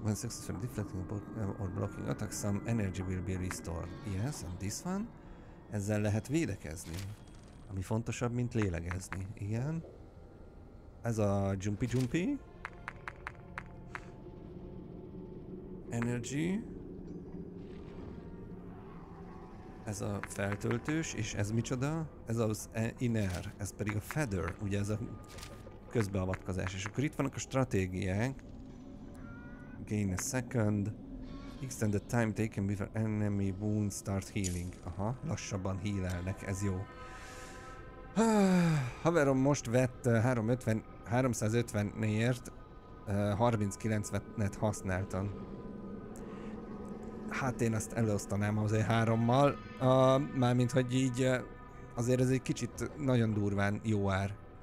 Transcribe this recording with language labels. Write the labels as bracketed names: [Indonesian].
[English] When successfully deflecting or blocking attack, some energy will be restored. Yes, and this one? [Hungarian] Ezzel lehet védekezni. Ami fontosabb, mint lélegezni. Igen. Ez a jumpy. [English] Energy. [Hungarian] Ez a feltöltős, és ez micsoda? Ez az inner, ez pedig a feather. Ugye ez a közbeavatkozás. És akkor itt vannak a stratégiák. [English] Gain a second, extend the time taken before enemy wounds start healing. [Hungarian] Aha, lassabban healelnek, ez jó. Haverom most vett 350-ért, 39-et használtam. Hát én ezt elosztanám azért hárommal. Mármint, hogy így azért ez egy kicsit nagyon durván jó ár.